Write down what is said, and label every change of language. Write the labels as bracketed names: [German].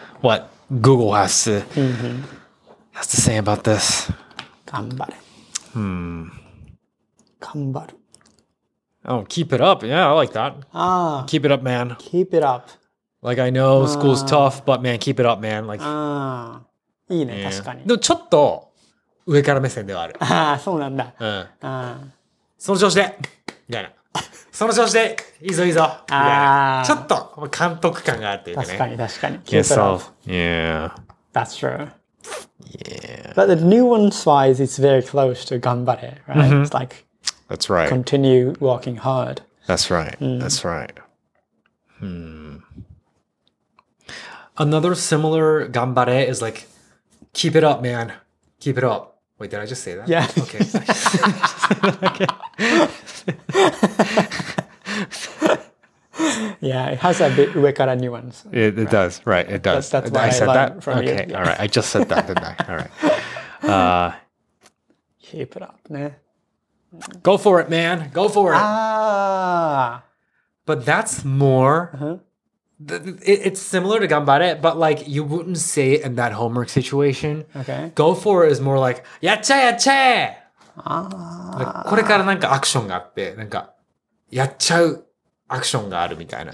[English] What Google has to say about this. [Japanese] Ganbare. Ganbaru. [English] Oh, keep it up. Yeah, I like that. Keep it up, man. Keep it up. Like, I know school's tough, but man, keep it up, man. Like, [Japanese] いいね, 確かに。でもちょっと上から目線ではある。ああ、そうなんだ。うん。その調子でみたいな。その調子でいいぞいいぞ。ああ。ちょっと監督感があるというかね。確かに確かに。 [English] Keep it up. Yeah. That's true. Yeah. But the nuance wise, it's very close to 頑張れ, right? Mm-hmm. It's like, That's right. continue working hard. That's right. That's right. Another similar ganbare is like, keep it up, man. Keep it up. Wait, did I just say that? Yeah. Okay. Yeah, it has a bit uekara nuance. It does, right. It does. That's why I said that from okay, you. All right. I just said that, didn't I? All right. Keep it up, man. Go for it, man. Go for it. But that's more... Uh-huh. It's similar to ganbare, but like you wouldn't say it in that homework situation. Okay. Go for it is more like yatcha yatcha. Like, [Japanese] これからなんかアクションがあって、なんかやっちゃうアクションがあるみたいな。